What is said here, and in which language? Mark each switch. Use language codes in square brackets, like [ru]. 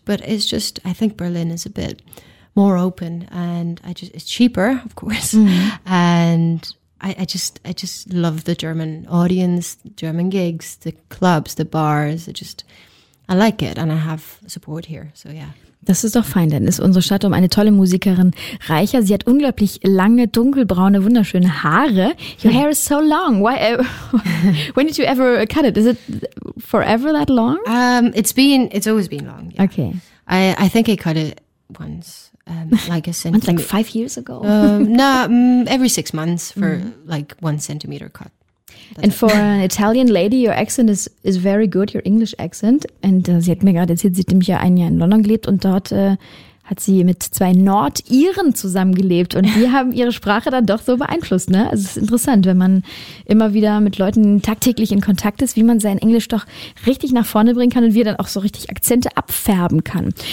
[en] But it's just, I think Berlin is a bit more open, and it's cheaper, of course. And I just love the German audience, German gigs, the clubs, the bars. I like it and I have support here, so yeah. [de] Das ist doch fein, denn ist unsere Stadt um eine tolle Musikerin reicher. Sie hat unglaublich lange, dunkelbraune, wunderschöne Haare. [en] Your hair is so long. Why? When did you ever cut it? Is it forever that long? It's always been long, yeah. Okay. I think I cut it once, like a centimeter. Once, like 5 years ago? Every 6 months for like 1 centimeter cut. That's and for an Italian lady, your accent is very good, your English accent. [de] And sie hat mir gerade erzählt, sie hat nämlich ja ein Jahr in London gelebt und dort hat sie mit zwei Nordiren zusammengelebt. Und die haben ihre Sprache dann doch so beeinflusst. Ne? Also es ist interessant, wenn man immer wieder mit Leuten tagtäglich in Kontakt ist, wie man sein Englisch doch richtig nach vorne bringen kann und wie er dann auch so richtig Akzente abfärben kann.